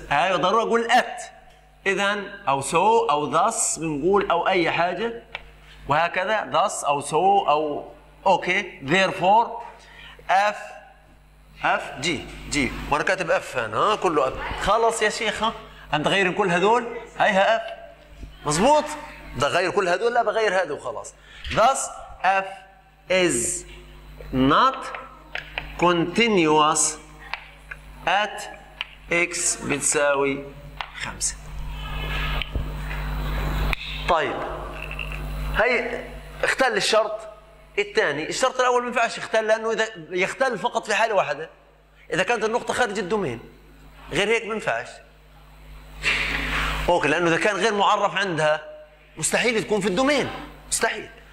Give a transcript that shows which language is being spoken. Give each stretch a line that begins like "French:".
Arabic: هاي ضروري أقول at، إذا أو so أو thus بنقول أو أي حاجة وهكذا، thus أو so أو
English: okay therefore
Arabic: F F G G، وأنا كاتب F هنا، ها كله F، خلص يا شيخ، ها عم تغير كل هذول، هيها F مظبوط، بدي أغير كل هذول، لا بغير هذا وخلاص.
English: Thus F is not continuous at X
Arabic: بتساوي
English: 5.
Arabic: طيب هي اختل الشرط الثاني، الشرط الأول ما ينفعش يختل لأنه إذا يختل فقط في حالة واحدة، إذا كانت النقطة خارج الدومين، غير هيك ما ينفعش. أوكي، لأنه إذا كان غير معرف عندها مستحيل تكون في الدومين، مستحيل.